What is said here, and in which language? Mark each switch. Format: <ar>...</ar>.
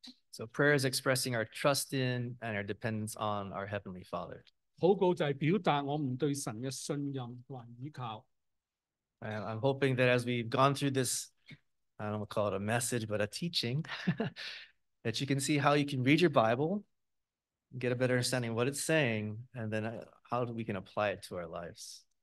<en>So prayer is expressing our trust in and our dependence on our Heavenly Father.</en> <zh>祷告就是表达我们对神的信任和依靠。</zh> <en>And I'm hoping that as we've gone through this, I don't want to call it a message, but a teaching, that you can see how you can read your Bible, get a better understanding of what it's saying, and then how we can apply it to our lives.</en>